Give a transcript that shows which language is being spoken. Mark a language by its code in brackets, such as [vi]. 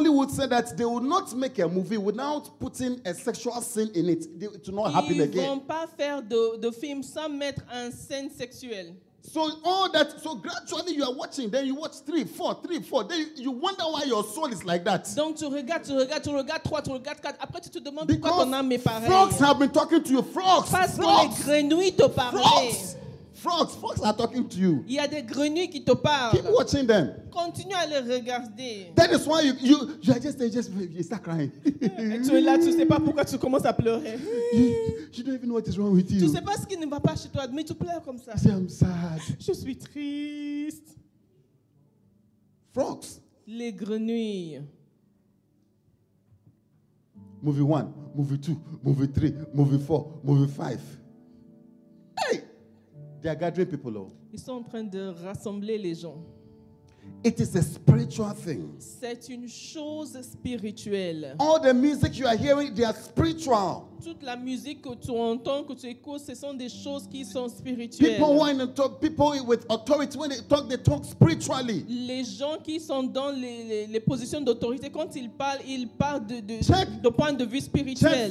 [en] said that they would not make a movie without putting a sexual scene in it. It will not happen [fr] ils [en] again. [fr] Ils vont pas faire de film sans mettre un scène sexuelle. [en] So gradually you are watching, then you watch three, four, then you wonder why your soul is like that. [fr] Donc tu regardes trois, tu regardes quatre. Après tu te demandes pourquoi ton âme est pareil. [en] Frogs have been talking to you. Frogs. [fr] Parce [en] frogs. [fr] Que les grenouilles te parlent. [en] Frogs. Frogs are talking to you. [fr] Il y a des grenouilles qui te parlent. [en] Keep watching them. [fr] Continue à les regarder. [en] That is why you are just start crying. [fr] Tu es là, tu sais pas pourquoi tu commences à pleurer. [en] You don't even know what is wrong with you. [fr] Tu sais pas ce qui ne va pas chez toi, mais tu pleures comme ça. [en] I'm sad. [fr] Je suis triste. [en] Frogs. [fr] Les grenouilles. [en] Movie 1, movie 2, movie 3, movie 4, movie 5. They are gathering people up. [fr] Ils sont en train de rassembler les gens. [en] It is a spiritual thing. [fr] C'est une chose spirituelle. [en] All the music you are hearing, they are spiritual. [fr] Toute la musique que tu entends, que tu écoutes, ce sont des choses qui sont spirituelles. [en] People who are in talk, people with authority, when they talk spiritually. [fr] Les gens qui sont dans les positions d'autorité, quand ils parlent de point de vue spirituel.